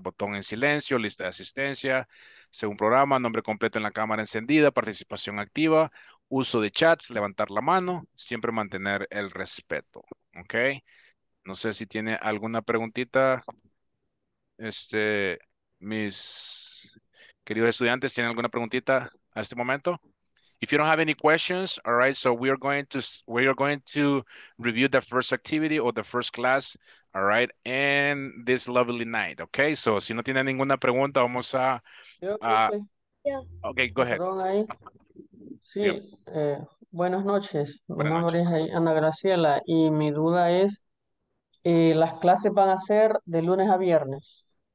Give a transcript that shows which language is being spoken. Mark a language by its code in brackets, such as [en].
[es] Botón en silencio, lista de asistencia, según programa, nombre completo en la cámara encendida, participación activa, uso de chats, levantar la mano, siempre mantener el respeto. ¿Ok? No sé si tiene alguna preguntita. Mis queridos estudiantes, ¿tienen alguna preguntita a este momento? [en] If you don't have any questions, all right, so we are going to review the first activity or the first class, all right, and this lovely night, okay? [es] So, si no tiene ninguna pregunta, vamos a, Yo, profe. [en] okay, go ahead. [es] Perdón ahí. Dígame. Sí, buenas noches. Mi Buenas nombre noches. es Ana Graciela y mi duda es, ¿las clases van a ser de lunes a viernes?